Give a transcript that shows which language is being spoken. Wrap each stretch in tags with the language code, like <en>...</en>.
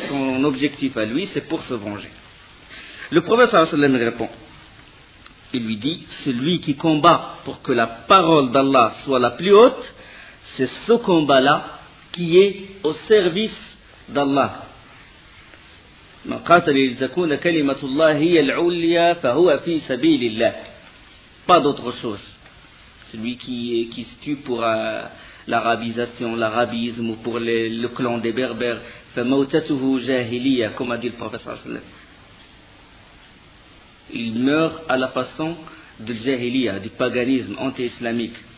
<fr>Son objectif à lui, c'est pour se venger. Le prophète sallallahu alayhi wa sallam répond. Il lui dit, celui qui combat pour que la parole d'Allah soit la plus haute, c'est ce combat-là qui est au service d'Allah.</fr> <ar>من قاتل لتكون كلمة الله هي العليا فهو في سبيل الله.</ar> <fr>Pas d'autre chose. Celui qui se tue pour l'arabisation, l'arabisme ou pour le clan des berbères,</fr> <ar>فموتته جاهلية,</ar> <fr>comme a dit le prophète</fr> <ar>صلى الله عليه وسلم.</ar> <fr>Il meurt à la façon de jahiliya, du paganisme anti-islamique.</fr>